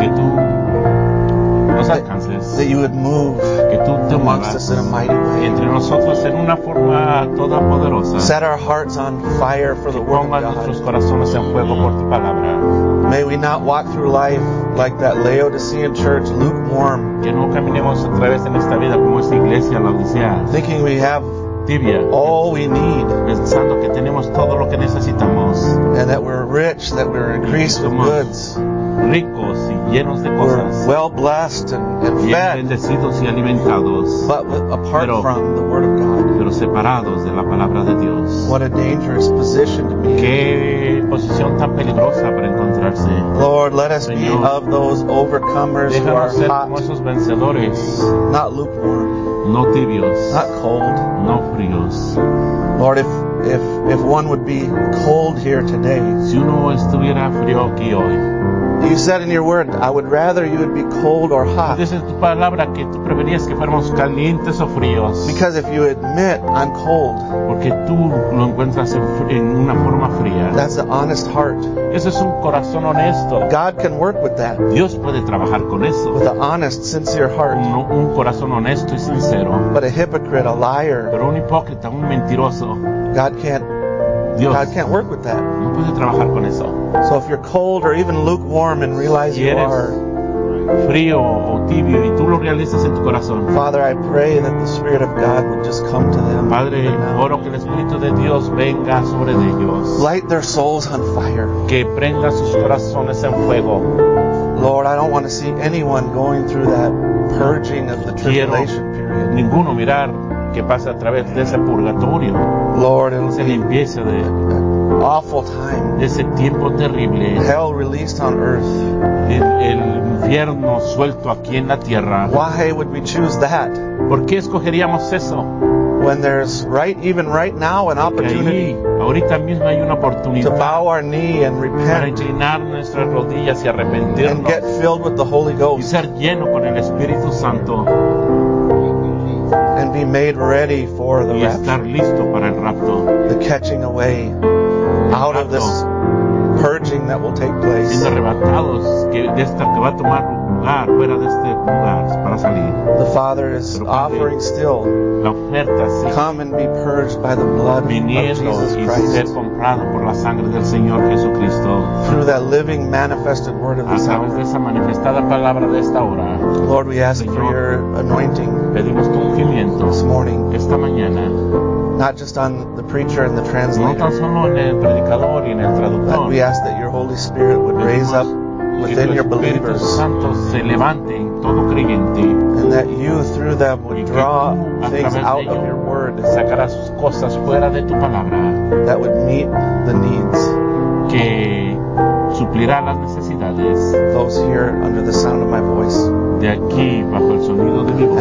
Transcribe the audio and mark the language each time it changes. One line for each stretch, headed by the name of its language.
Spanish: Que tú nos alcances,
English: that you would move
Spanish: que tú te
English: amongst
Spanish: muevas,
English: us in a mighty way.
Spanish: Entre nosotros en una forma toda poderosa.
English: Set our hearts on fire for the word of God.
Spanish: Nuestros corazones en fuego por tu palabra.
English: May we not walk through life like that Laodicean church, lukewarm.
Spanish: Que no caminemos a través de esta vida como esta iglesia Laodicea.
English: Thinking we have
Spanish: tibia,
English: all we need.
Spanish: Pensando que tenemos todo lo que necesitamos.
English: And that we're rich, that we're increased with goods.
Spanish: Ricos y llenos de cosas.
English: We're well blessed and fed.
Spanish: Bien bendecidos y alimentados.
English: But apart from the word of God.
Spanish: Pero separados de la palabra de Dios.
English: What a dangerous position to be in.
Spanish: Qué posición tan peligrosa para encontrarse.
English: Lord, let us
Spanish: Señor,
English: be of those overcomers who are
Spanish: ser
English: hot.
Spanish: Nuestros vencedores.
English: Not lukewarm.
Spanish: No tibios.
English: Not cold.
Spanish: No fríos.
English: Lord, if one would be cold here today.
Spanish: Si uno estuviera frío aquí hoy.
English: You said in your word, I would rather you would be cold or hot.
Spanish: Dices tu palabra que tú preferías que fuéramos calientes o fríos.
English: Because if you admit I'm cold,
Spanish: porque tú lo encuentras en una forma fría.
English: That's an honest heart.
Spanish: Ese es un corazón honesto.
English: God can work with that.
Spanish: Dios puede trabajar con eso.
English: With an honest, sincere heart.
Spanish: Un corazón honesto y sincero.
English: But a hypocrite, a liar.
Spanish: Pero un hipócrita, un mentiroso.
English: God can't.
Spanish: Dios,
English: God can't work with that.
Spanish: No puede trabajar con eso.
English: So if you're cold or even lukewarm and realize
Spanish: si eres
English: you are
Spanish: frío o tibio y tú lo realizas en tu corazón.
English: Father, I pray that the Spirit of God would just come to them.
Spanish: Padre, oro que el Espíritu de Dios venga sobre ellos.
English: Light their souls on fire.
Spanish: Que prenda sus corazones en fuego.
English: Lord, I don't want to see anyone going through that purging of the tribulation period.
Spanish: Ninguno mirar que pasa a través de ese purgatorio.
English: Lord,
Spanish: esa limpieza de
English: awful time.
Spanish: Ese tiempo terrible.
English: Hell released on earth.
Spanish: El infierno suelto aquí en la tierra.
English: Why would we choose that?
Spanish: ¿Por qué escogeríamos eso?
English: When there's right, even right now, an opportunity.
Spanish: Ahí, ahorita mismo hay una oportunidad.
English: To bow our knee and repent.
Spanish: Para inclinar nuestras rodillas y arrepentirnos.
English: And get filled with the Holy Ghost.
Spanish: Y ser lleno con el Espíritu Santo.
English: And be made ready for the rapture.
Spanish: Y estar listo para el rapto.
English: The catching away. Out of this purging that will take place.
Spanish: Siendo arrebatados que de esta que va a tomar lugar fuera de este lugar para salir.
English: The Father is offering still.
Spanish: La oferta sí.
English: Come and be purged by the blood
Spanish: viniendo
English: of Jesus Christ.
Spanish: Y ser comprado por la sangre del Señor Jesucristo.
English: Through that living manifested word of this hour.
Spanish: A través de esa manifestada palabra de esta hora.
English: Lord, we ask
Spanish: Señor,
English: for your anointing.
Spanish: Pedimos tu ungimiento.
English: This morning.
Spanish: Esta mañana.
English: Not just on the preacher and the translator.
Spanish: No tan solo en el predicador y en el traductor.
English: But we ask that your Holy Spirit would raise up within your believers.
Spanish: Santo se levante en todo creyente.
English: And that you through them would draw things out of your word.
Spanish: Sacarás cosas fuera de tu palabra.
English: That would meet the needs.
Spanish: Que suplirá las necesidades.
English: Those here under the sound of my voice.
Spanish: De aquí, bajo el sonido de mi voz,